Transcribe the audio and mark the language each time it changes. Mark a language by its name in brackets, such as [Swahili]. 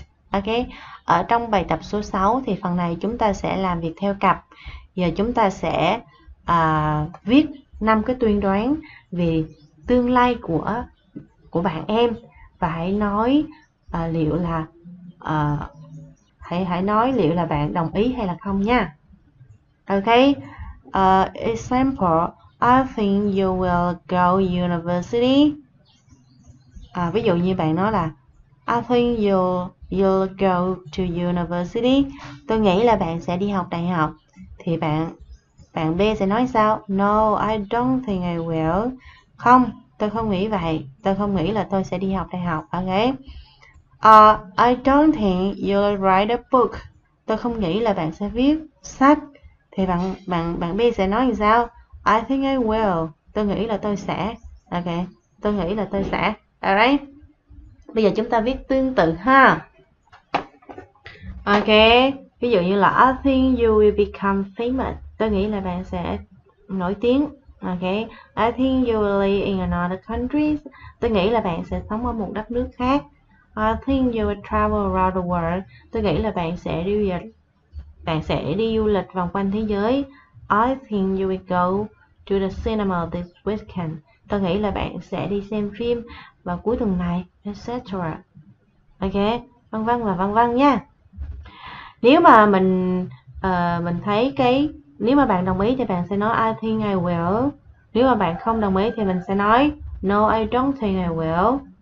[Vietnamese] Ok, ở trong bài tập số 6 thì phần này chúng ta sẽ làm việc theo cặp. Giờ chúng ta sẽ viết 5 cái tuyên đoán về tương lai của bạn em. Và hãy nói liệu là hãy nói liệu là bạn đồng ý hay là không nha. [English] Ok, example, I think you will go university. [Vietnamese] Ví dụ như bạn nói là [English] I think you'll go to university. [Vietnamese] Tôi nghĩ là bạn sẽ đi học đại học. Thì bạn B sẽ nói sao? [English] No, I don't think I will. [Vietnamese] Không, tôi không nghĩ vậy. Tôi không nghĩ là tôi sẽ đi học đại học. Ok. [English] I don't think you'll write a book. [Vietnamese] Tôi không nghĩ là bạn sẽ viết sách. Thì bạn B sẽ nói như sao? [English] I think I will. [Vietnamese] Tôi nghĩ là tôi sẽ. Ok. Tôi nghĩ là tôi sẽ. Alright. Bây giờ chúng ta viết tương tự ha. Ok. Ví dụ như là [English] I think you will become famous. [Vietnamese] Tôi nghĩ là bạn sẽ nổi tiếng. Ok. [English] I think you will live in another country. [Vietnamese] Tôi nghĩ là bạn sẽ sống ở một đất nước khác. [English] I think you will travel around the world. [Vietnamese] Tôi nghĩ là bạn sẽ đi du lịch vòng quanh thế giới. [English] I think you will go to the cinema this weekend. [Vietnamese] Tôi nghĩ là bạn sẽ đi xem phim vào cuối tuần này, etc. Ok, vân vân và vân vân nha. Nếu mà mình thấy cái, nếu mà bạn đồng ý thì bạn sẽ nói [English] I think I will. [Vietnamese] Nếu mà bạn không đồng ý thì mình sẽ nói [English] No, I don't think I will.